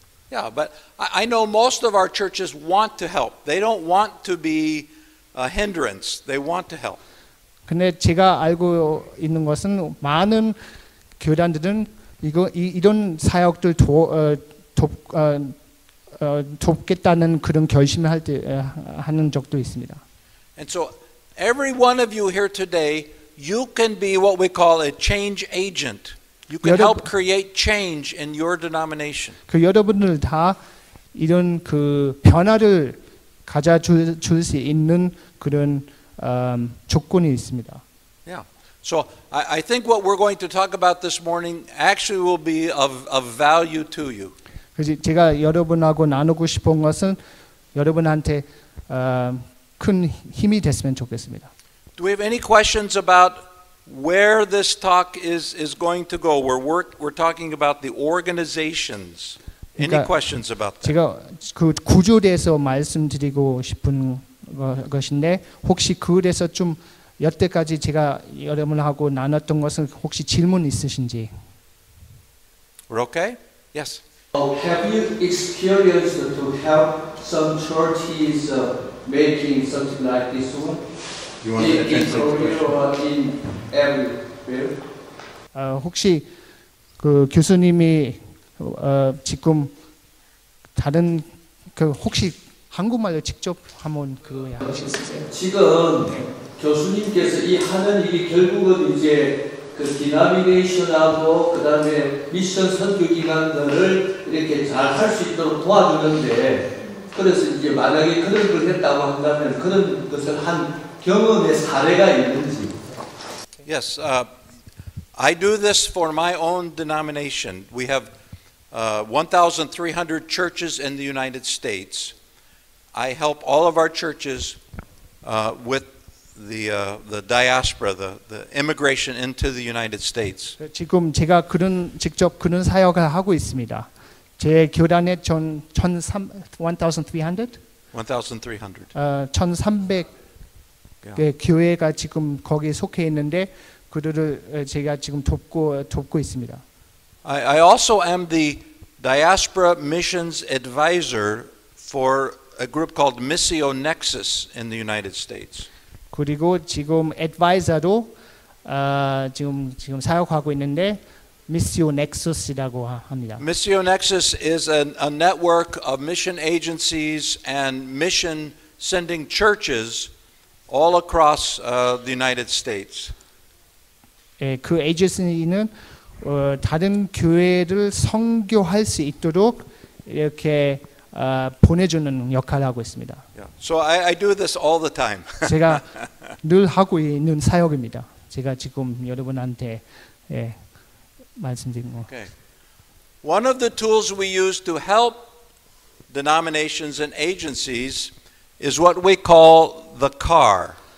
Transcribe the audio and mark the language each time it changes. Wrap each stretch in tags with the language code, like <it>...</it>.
<en>Yeah, but I know most of our churches want to help. They don't want to be a hindrance. They want to help.</en> <ko>근데 제가 알고 있는 것은 많은 교단들은 이거 이런 사역들 돕겠다는 그런 결심을 할 때 하는 적도 있습니다.</ko> <en>And so every one of you here today, you can be what we call a change agent. You can help create change in your denomination.</en> <ko>그 여러분들 다 이런 그 변화를 가져 줄 수 있는 그런 조건이 있습니다.</ko> <en>Yeah. So I think what we're going to talk about this morning actually will be of value to you.</en> <ko>그래서 제가 여러분하고 나누고 싶은 것은 여러분한테 큰 힘이 됐으면 좋겠습니다.</ko> <en>Do we have any questions about where this talk is going to go? We're talking about the organizations. Any</en> <ko>그러니까</ko> <en>questions about that?</en> <ko>제가 그 구조에 대해서 말씀드리고 싶은 것인데 혹시 그에서 좀 여태까지 제가 여러분하고 나눴던 것은 혹시 질문 있으신지?</ko> <en>We're okay? Yes. Have you experienced to help some churches making something like this one? You want to in everywhere?</en> <ko>혹시 그 교수님이 지금 다른 그 혹시 한국말로 직접 한번 그거야? 지금 교수님께서 이 하는 일이 결국은 이제 그 디나미네이션하고 그다음에 미션 선교 기관들을 이렇게 잘 할 수 있도록 도와주는데 그래서 이제 만약에 그런 걸 했다고 한다면 그런 것을 한 경험의 사례가 있는지.</ko> <en>Yes, I do this for my own denomination. We have 1,300 churches in the United States. I help all of our churches with the diaspora, the immigration into the United States.</en> <ko>지금 제가 그런 직접 그런 사역을 하고 있습니다. 제 교단에 1,300개 교회가 지금 거기에 속해 있는데 그들을 제가 지금 돕고 있습니다.</ko> <en>I also am the diaspora missions advisor for a group called Missio Nexus in the United States.</en> <ko>그리고 지금 애드바이저도 지금 사역하고 있는데 Missio Nexus이라고 합니다.</ko> <en>Missio Nexus is a network of mission agencies and mission sending churches all across the United States.</en> <ko>예, 그 에이전시는 다른 교회를 선교할 수 있도록 이렇게 보내주는 역할을 하고 있습니다.</ko> <en>Yeah. So I do this all the time.</en> <ko>제가 늘 하고 있는 사역입니다. 제가 지금 여러분한테 예, 말씀드린 거.</ko> <en>Okay. One of the tools we use to help denominations and agencies is what we call the CAR.</en>